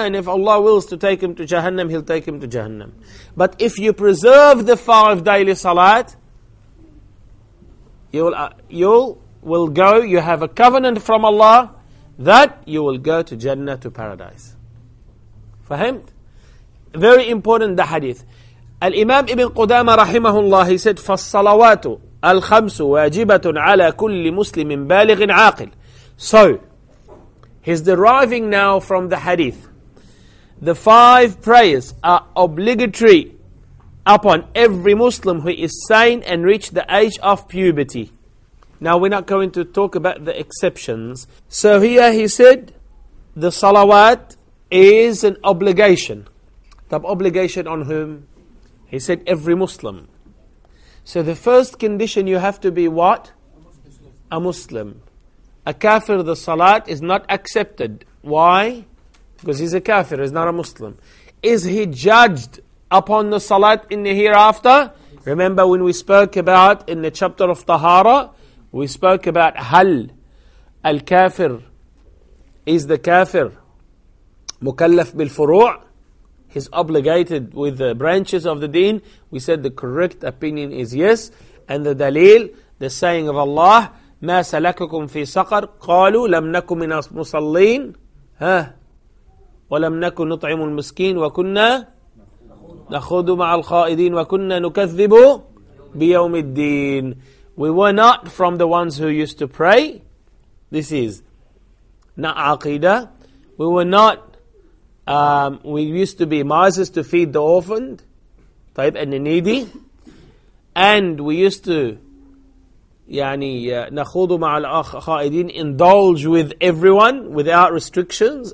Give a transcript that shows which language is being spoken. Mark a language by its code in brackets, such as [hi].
[en] And if Allah wills to take him to Jahannam, he'll take him to Jahannam. But if you preserve the five daily salat, you will go, you have a covenant from Allah, that you will go to Jannah, to paradise. [ar] Fahimt? [en] Very important, the hadith. [ar] الإمام ابن قدامة رحمه الله [en] said, [ar] فالصلوات الخمس واجبة على كل مسلم بالغ عاقل. [en] So, he's deriving now from the hadith. The five prayers are obligatory upon every Muslim who is sane and reached the age of puberty. Now, we're not going to talk about the exceptions. So, here he said, the salawat is an obligation. The obligation on whom? He said, every Muslim. So the first condition, you have to be what? A Muslim. A kafir, the salat is not accepted. Why? Because he's a kafir, he's not a Muslim. Is he judged upon the salat in the hereafter? Remember when we spoke about, in the chapter of Tahara, we spoke about hal, al-kafir, is the kafir mukallaf bil-furu'? Is obligated with the branches of the deen. We said the correct opinion is yes. And the dalil, the saying of Allah, [ar] مَا سَلَكَكُمْ فِي سَقَرْ قَالُوا لَمْ نَكُمْ مِنَ مُصَلِّينَ ها ولم نكن نطعم المسكين وكنا نخوض مع الخائضين وكنا نكذب بيوم الدين. [en] We were not from the ones who used to pray. This is not عقيدة. We were not we used to be misers to feed the orphaned, [ar] طيب, [en] and the needy. And we used to [ar] يعني نخوض مع الخائدين, [en] indulge with everyone without restrictions.